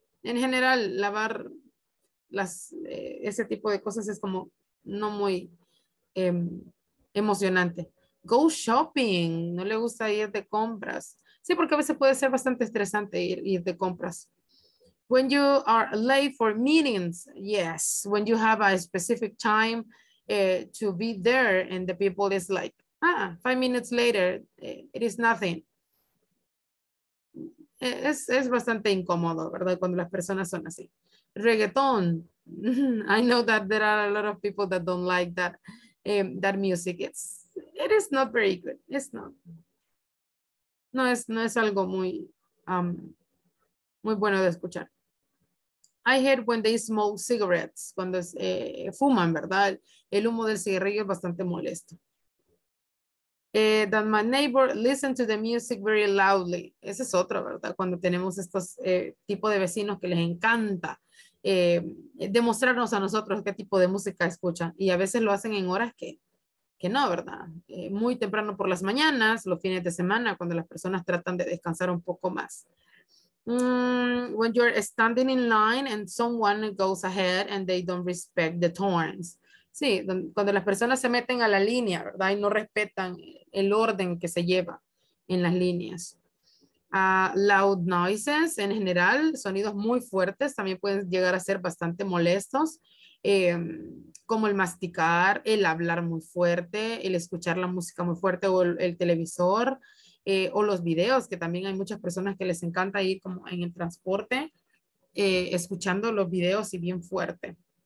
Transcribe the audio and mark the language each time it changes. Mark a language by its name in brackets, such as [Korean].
[Spanish] En general, lavar ese tipo de cosas es como no muy emocionante. [English] Go shopping. [Spanish] No le gusta ir de compras. Sí, porque a veces puede ser bastante estresante ir de compras. [English] When you are late for meetings, yes. When you have a specific time to be there and the people is like, 5 minutes later, it is nothing. [Spanish] Es bastante incómodo, ¿verdad? Cuando las personas son así. Reggaeton. [English] I know that there are a lot of people that don't like that, that music. It is not very good. It's not. [Spanish] No es algo muy, muy bueno de escuchar. [English] I hate when they smoke cigarettes. [Spanish] Cuando fuman, ¿verdad? El humo del cigarrillo es bastante molesto. [English] That my neighbor listen to the music very loudly. [Spanish] Ese es otro, ¿verdad? Cuando tenemos estos tipo de vecinos que les encanta demostrarnos a nosotros qué tipo de música escuchan. Y a veces lo hacen en horas que no, ¿verdad? Muy temprano por las mañanas, los fines de semana, cuando las personas tratan de descansar un poco más. [English] When you're standing in line and someone goes ahead and they don't respect the turns. [Spanish] Sí, cuando las personas se meten a la línea, ¿verdad? Y no respetan el orden que se lleva en las líneas. [English] Loud noises, [Spanish] en general, sonidos muy fuertes, también pueden llegar a ser bastante molestos. Como el masticar, el hablar muy fuerte, el escuchar la música muy fuerte o el televisor o los videos, que también hay muchas personas que les encanta ir como en el transporte escuchando los videos y bien fuerte.